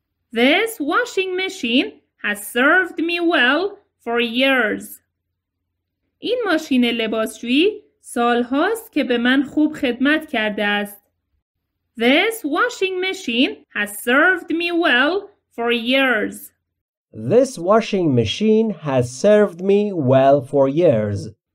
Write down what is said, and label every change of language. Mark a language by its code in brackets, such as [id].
[en] This washing machine has served me well for years. [fa] این ماشین لباسشویی سالهاست که به من خوب خدمت کرده است. [en] This washing machine has served me well for years. This washing machine has served me well for years.